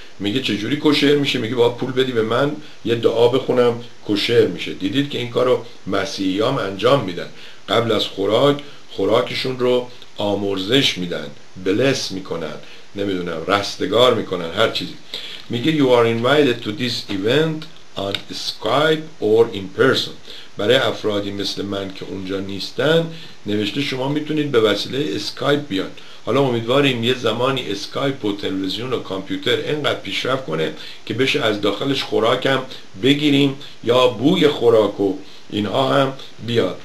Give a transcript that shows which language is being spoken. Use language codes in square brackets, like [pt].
[fa] میگه چجوری کوشر میشه؟ میگه با پول بدی به من یه دعا بخونم کوشر میشه. دیدید که این کارو مسیحیام انجام میدن، قبل از خوراکشون رو آمرزش میدن، بلس میکنن، نمیدونم رستگار میکنن، هر چیزی. میگه [en] you are invited to this event on Skype or in person. [fa] برای افرادی مثل من که اونجا نیستن نوشته شما میتونید به وسیله اسکایپ بیان. حالا امیدواریم یه زمانی اسکایپ و تلویزیون و کامپیوتر اینقدر پیشرفت کنه که بشه از داخلش خوراکم بگیریم یا بوی خوراکو اینها هم بیاد.